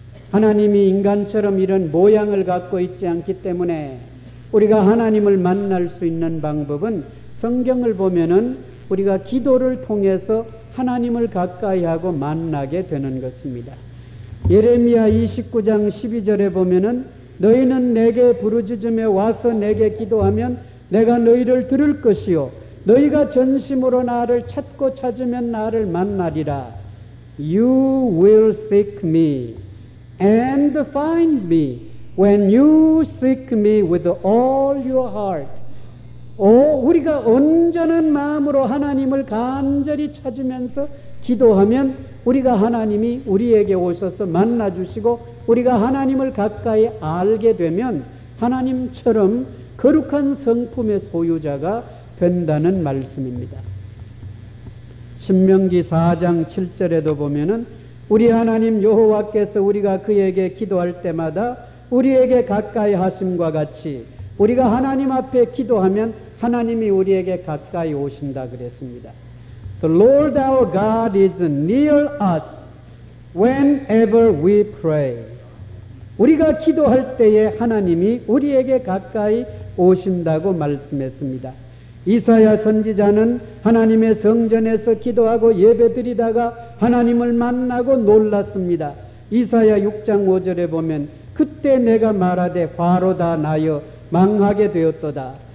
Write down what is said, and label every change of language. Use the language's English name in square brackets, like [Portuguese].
[Korean] 하나님이 인간처럼 이런 모양을 갖고 있지 않기 때문에 우리가 하나님을 만날 수 있는 방법은 성경을 보면은 우리가 기도를 통해서 하나님을 가까이 하고 만나게 되는 것입니다. 예레미야 29장 12절에 보면은 너희는 내게 부르짖음에 와서 내게 기도하면 내가 너희를 들을 것이요 너희가 전심으로 나를 찾고 찾으면 나를 만나리라. [English] You will seek me and find me when you seek me with all your heart. [Korean] 오, 우리가 온전한 마음으로 하나님을 간절히 찾으면서 기도하면 우리가 하나님이 우리에게 오셔서 만나주시고 우리가 하나님을 가까이 알게 되면 하나님처럼 거룩한 성품의 소유자가 된다는 말씀입니다. 신명기 4장 7절에도 보면은 우리 하나님 여호와께서 우리가 그에게 기도할 때마다 우리에게 가까이 하심과 같이 우리가 하나님 앞에 기도하면 하나님이 우리에게 가까이 오신다 그랬습니다. [English] The Lord our God is near us whenever we pray. [Korean] 우리가 기도할 때에 하나님이 우리에게 가까이 오신다고 말씀했습니다. 이사야 선지자는 하나님의 성전에서 기도하고 예배드리다가 하나님을 만나고 놀랐습니다. 이사야 6장 5절에 보면 그때 내가 말하되 화로다 나여 망하게 되었도다.